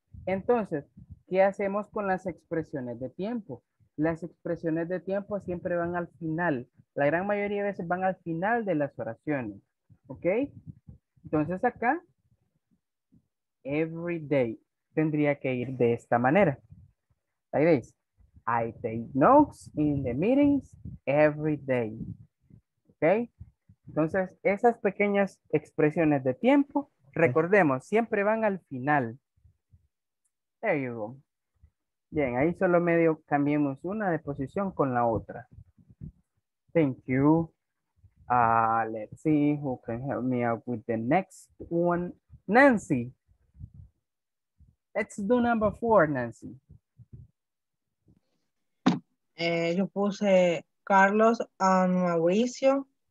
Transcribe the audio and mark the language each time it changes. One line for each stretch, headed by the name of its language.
Spanish: Entonces, ¿qué hacemos con las expresiones de tiempo? Las expresiones de tiempo siempre van al final. La gran mayoría de veces van al final de las oraciones. ¿Ok? Entonces acá, every day tendría que ir de esta manera. Ahí veis.
English: I take notes in the meetings every day.
Spanish: ¿Ok? Entonces, esas pequeñas expresiones de tiempo, recordemos, siempre van al final.
English: There you go.
Spanish: Bien, ahí solo medio cambiemos una de posición con la otra.
English: Thank you. Let's see who can help me out with the next one. Nancy. Let's do number four, Nancy.
Spanish: Yo puse Carlos and Mauricio.